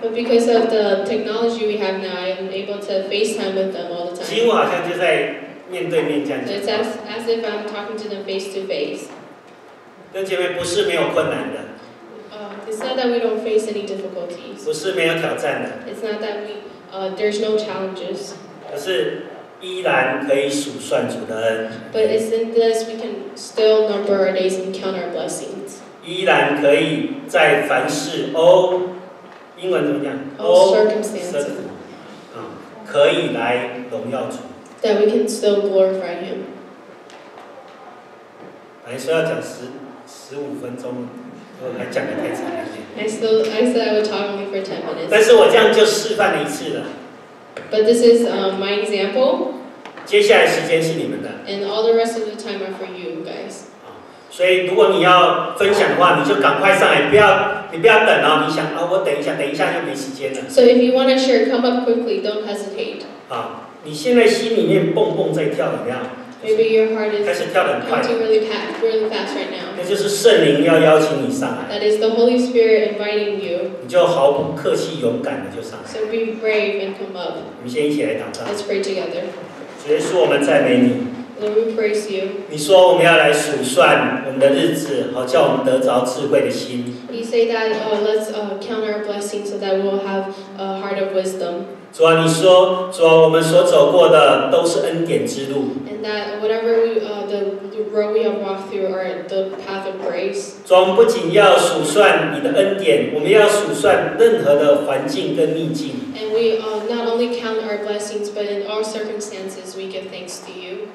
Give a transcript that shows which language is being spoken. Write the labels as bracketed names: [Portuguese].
[English] But because of the technology we have now, I am able to FaceTime with them all the time. [Chinese] 几乎好像就在面对面这样子。 [English] It's as if I'm talking to them face to face. [Chinese] 那姐妹不是没有困难的。 [English] It's not that we don't face any difficulties. [Chinese] 不是没有挑战的。 [English] It's not that we there's no challenges. [Chinese] 可是。依然可以数算主的恩。 [English] But isn't this we can still number our days and count our blessings? [Chinese] 依然可以在凡事 all 英文怎么讲 [English] all circumstances [Chinese] 可以来荣耀主。 [English] That we can still glorify Him. [Chinese] 本来说要讲十五分钟，我来讲的太长了。 [English] I said I would talk only for 10 minutes. [Chinese] 但是我这样就示范了一次了。 [English] But this is my example. [Chinese] 接下来时间是你们的。 [English] And all the rest of the time are for you guys. [Chinese] 所以如果你要分享的话，你就赶快上来，你不要等哦。你想啊、哦，我等一下又没时间了。 [English] So if you want to share, come up quickly. Don't hesitate. [Chinese] 你现在心里面蹦蹦在跳，怎么样 [English] ？Maybe your heart is [Chinese] 开始跳得很快 [English] pumping really fast right now. [Chinese] 那就是圣灵要邀请你上来。 [English] That is the Holy Spirit inviting you. [Chinese] 你就毫不客气、勇敢的就上来。 [English] So be brave and come up. [Chinese] 我们先一起来祷告。 [English] Let's pray together. [Chinese] 主耶稣，我们赞美你。 [English] Lord, we praise you. [Chinese] 你说我们要来数算我们的日子，好叫我们得着智慧的心。 [English] You say that, let's count our blessings so that we'll have a heart of wisdom. [Chinese] 主啊，你说，主啊，我们所走过的都是恩典之路。 [English] And that whatever we, the road we have walked through are the path of grace. [Chinese] 主啊，我们不仅要数算你的恩典，我们要数算任何的环境跟逆境。 [English] And we not only count our blessings, but in all circumstances we give thanks to you.